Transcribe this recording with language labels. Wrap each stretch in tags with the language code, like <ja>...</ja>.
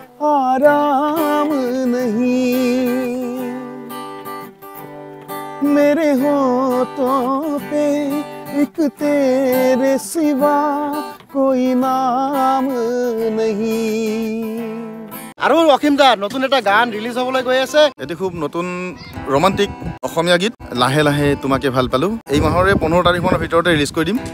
<hi>आराम नहीं। मेरे होठों पे एक तेरे सिवा कोई नाम नहीं।</hi> <as>আৰু ৱাকিম দা নতুন এটা গান ৰিলিজ হবলৈ গৈ আছে। এটি খুব নতুন ৰোমান্টিক অসমীয়া গীত লাহে লাহে তোমাকে ভাল পালো। এই মাহৰে 15 তাৰিখৰ ভিতৰতে ৰিলিজ কৰি দিম।</as>